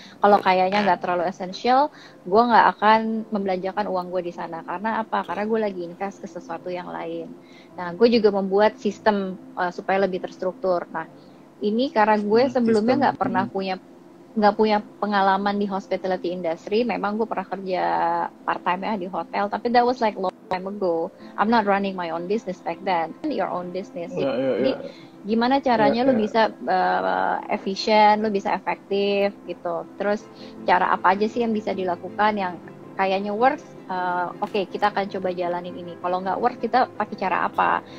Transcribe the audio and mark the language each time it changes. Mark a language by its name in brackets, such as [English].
[Indonesian] Kalau kayaknya nggak terlalu esensial, gue nggak akan membelanjakan uang gue di sana. Karena apa? Karena gue lagi invest ke sesuatu yang lain. Nah, gue juga membuat sistem supaya lebih terstruktur. Nah, ini karena gue sebelumnya nggak pernah punya pengalaman di [English] hospitality industry. [Indonesian] Memang gue pernah kerja part time ya di hotel, tapi [English] that was like long time ago. I'm not running my own business back then. Your own business. [Indonesian] Jadi gimana caranya lo bisa efisien, lo bisa efektif gitu. Terus cara apa aja sih yang bisa dilakukan yang kayaknya works? Okay, kita akan coba jalanin ini. Kalau nggak work, kita pakai cara apa?